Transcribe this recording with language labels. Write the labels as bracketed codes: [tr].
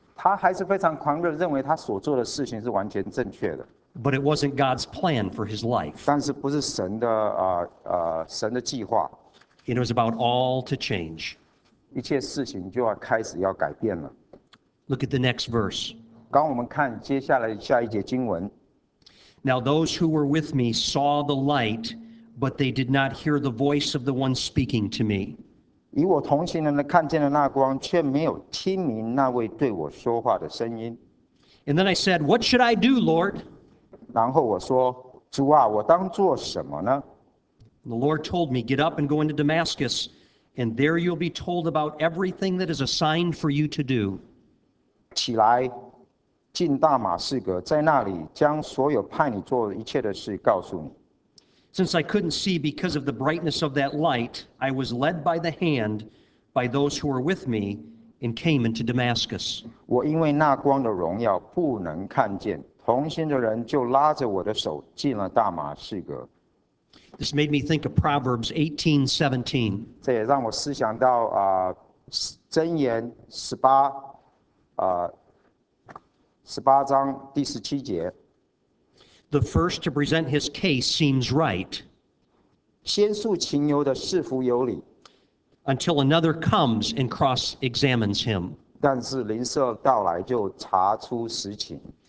[zh] 他还是非常狂热，认为他所做的事情是完全正确的。 [en] But it wasn't God's plan for his life. [zh] 但是不是神的神的计划。 [en] It was about all to change. [zh] 一切事情就要开始要改变了。 [en] Look at the next verse. [zh] 刚我们看接下来下一节经文。 [en] Now those who were with me saw the light, but they did not hear the voice of the one speaking to me. [zh] 与我同行的人看见了那光，却没有听明那位对我说话的声音。 [en] And then I said, "What should I do, Lord?" [zh] 然后我说，主啊，我当做什么呢？ [en] The Lord told me, "Get up and go into Damascus, and there you'll be told about everything that is assigned for you to do." [zh] 起来，进大马士革，在那里将所有派你做一切的事告诉你。 [en] Since I couldn't see because of the brightness of that light, I was led by the hand by those who were with me and came into Damascus. [zh] 我因为那光的荣耀不能看见。同行的人就拉着我的手进了大马士革。 [en] This made me think of Proverbs 18:17. [zh] 这也让我思想到箴言十八章第十七节。 [en] The first to present his case seems right. [zh] 先诉情由的似乎有理。 [en] Until another comes and cross-examines him. [zh] 但是邻舍到来就查出实情。